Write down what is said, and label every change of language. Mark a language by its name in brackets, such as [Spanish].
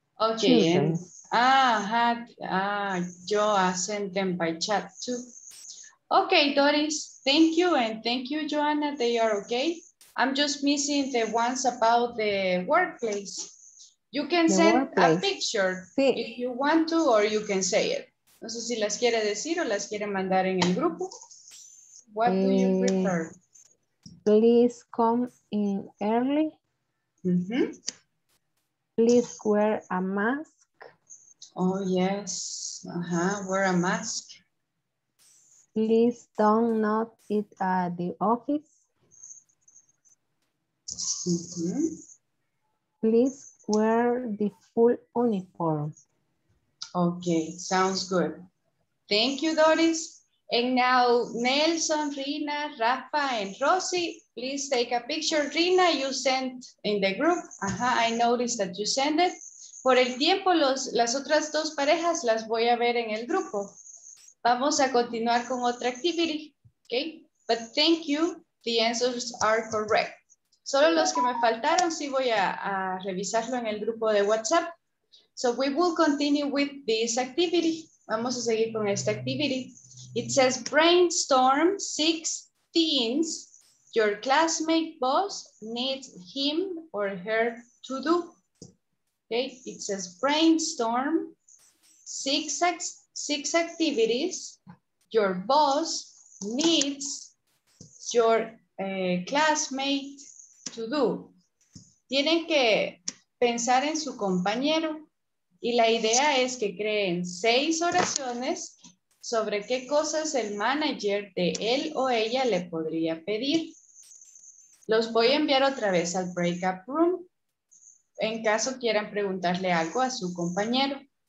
[English] Okay. Joa sent them by chat too. Okay, Doris, thank you. And thank you, Joanna. They are okay. I'm just missing the ones about the workplace. You can send a picture if you want to, or you can say it. [Spanish] No sé si las quiere decir o las quiere mandar en el grupo. [English] What do you prefer? Please come in early. Mm-hmm. Please wear a mask. Oh, yes. Uh-huh. Wear a mask. Please don't knock it at the office. Mm-hmm. Please wear the full uniform. Okay, sounds good. Thank you, Doris. And now, Nelson, Rina, Rafa, and Rosie, please take a picture. Rina, you sent in the group. Uh-huh, I noticed that you sent it. [Spanish] Por el tiempo, las otras dos parejas las voy a ver en el grupo. Vamos a continuar con otra activity. Okay? [English] But thank you. The answers are correct. [Spanish] Solo los que me faltaron, sí voy a revisarlo en el grupo de WhatsApp. [English] So we will continue with this activity. [Spanish] Vamos a seguir con esta activity. [English] It says, brainstorm six things your classmate boss needs him or her to do. Okay, it says, brainstorm six activities your boss needs your classmate to do. [Spanish] Tienen que pensar en su compañero. Y la idea es que creen seis oraciones sobre qué cosas el manager de él o ella le podría pedir. Los voy a enviar otra vez al breakup room en caso quieran preguntarle algo a su compañero.